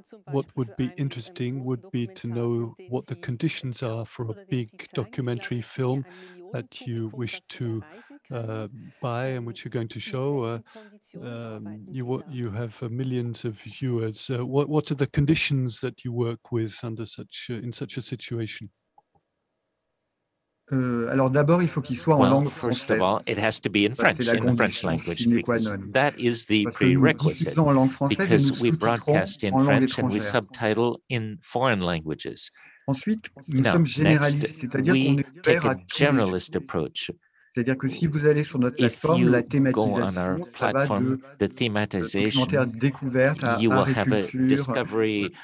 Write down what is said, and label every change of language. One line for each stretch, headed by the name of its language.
English: What would be interesting would be to know what the conditions are for a big documentary film that you wish to buy and which you're going to show. You have millions of viewers. What are the conditions that you work with under such in such a situation?
French: Alors d'abord, il faut qu'il soit en langue française.
English: First of all, it has to be in French, in French language. That is the prerequisite. Because we broadcast in French and we subtitle in foreign languages.
French: Ensuite, nous sommes généralistes, c'est-à-dire qu'on est ouvert à tous les
English: généralist approach.
French: C'est-à-dire que si vous allez sur notre plateforme, la thématisation, ça va de documentaire découverte à agriculture,